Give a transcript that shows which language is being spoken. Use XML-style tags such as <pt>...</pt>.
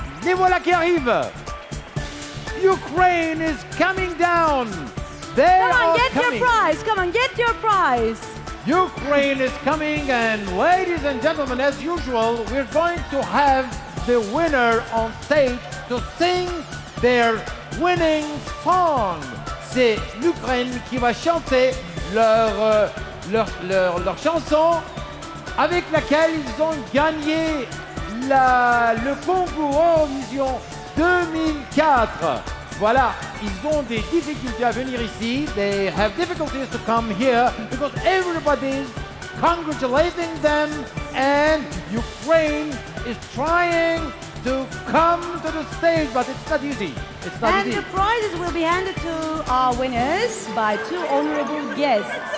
<fr>Les voilà qui arrivent!</fr> <en>Ukraine is coming down! They are coming! Come on, get your prize! Come on, get your prize! Ukraine is coming, and ladies and gentlemen, as usual, we're going to have the winner on stage to sing their winning song.</en> <fr>C'est l'Ukraine qui va chanter leur chanson avec laquelle ils ont gagné le concours Eurovision 2004. Voilà, ils ont des difficultés à venir ici.</fr> <en>They have difficulties to come here because everybody's congratulating them and Ukraine is trying to come to the stage, but it's not easy. It's not and easy. The prizes will be handed to our winners by two honorable guests.</en>